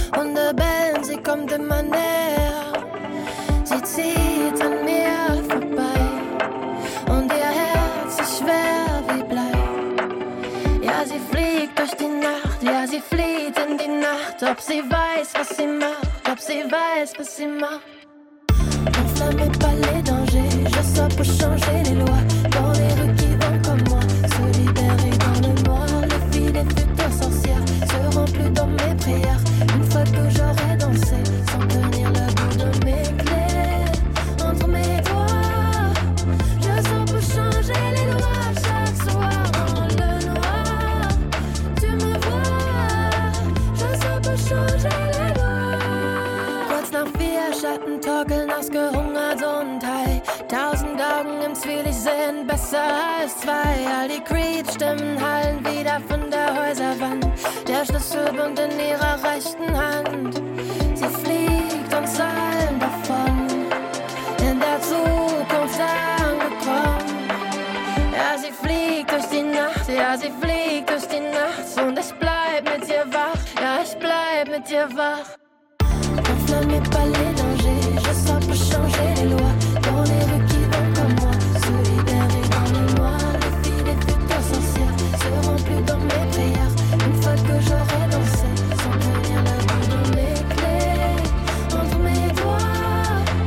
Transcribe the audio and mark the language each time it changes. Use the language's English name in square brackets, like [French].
[German] Hunde bellen, sie kommt immer näher. Sie zieht an mir vorbei. Und ihr Herz ist schwer wie Blei. Ja, sie fliegt durch die Nacht. Ja, sie flieht in die Nacht. Ob sie weiß, was sie macht. Ob sie weiß, was sie macht. [French] Mais pas les dangers, je sors pour changer les lois. Dans les rues qui vont comme moi, solidaires et dans le noir. Les filles, les futures sorcières seront plus dans mes prières. Une fois que j'aurai dansé, sans tenir le bout de mes clés entre mes doigts. Je sors pour changer les lois chaque soir dans le noir. Tu me vois, je sors pour changer les lois. [German] Kurz nach vier Schatten torkeln ausgehungert und high. Tausend Augen im Zwielicht sehen besser als zwei. All die Creep-Stimmen hallen wieder von der Häuserwand. Der Schlüssel bunt in ihrer rechten Hand. Sie fliegt uns allen davon. In der Zukunft angekommen. Ja, sie fliegt durch die Nacht. Ja, sie fliegt durch die Nacht. Und ich bleib mit dir wach. Ja, ich bleib mit dir wach. [French] Mais pas les dangers, je sors pour changer les lois. Dans les rues qui vont comme moi, solidaires et dans le noir. Les filles, les futures sorcières seront plus dans mes prières. Une fois que j'aurai dansé, sans tenir la bout de mes clés entre mes doigts.